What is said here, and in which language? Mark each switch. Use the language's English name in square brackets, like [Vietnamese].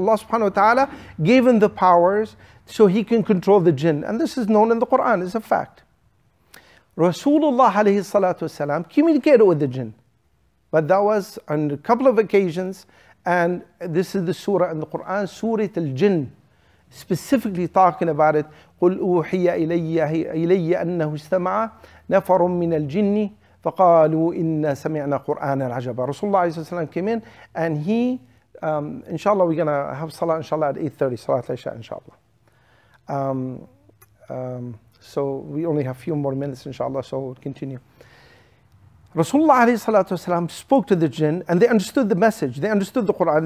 [English] Allah subhanahu wa ta'ala gave him the powers so he can control the jinn. And this is known in the Quran, it's a fact. Rasulullah alayhi salatu wa salam communicated with the jinn. But that was on a couple of occasions, and this is the surah in the Quran, Surah al-Jinn. Specifically talking about it, [Arabic] قُلْ أُوحِيَ إِلَيَّ أَنَّهُ اسْتَمَعَ نَفَرٌ مِّنَ الْجِنِّ فَقَالُوا إِنَّا سَمِعْنَا قُرْآنَ الْعَجَبَ. [English] Rasulullah ﷺ came in, and he, inshallah, we're going to have salah, inshallah, at 8:30, salat al-isha, inshallah. So we only have a few more minutes, inshallah, so we'll continue. Rasulullah ﷺ spoke to the jinn, and they understood the message. They understood the Quran.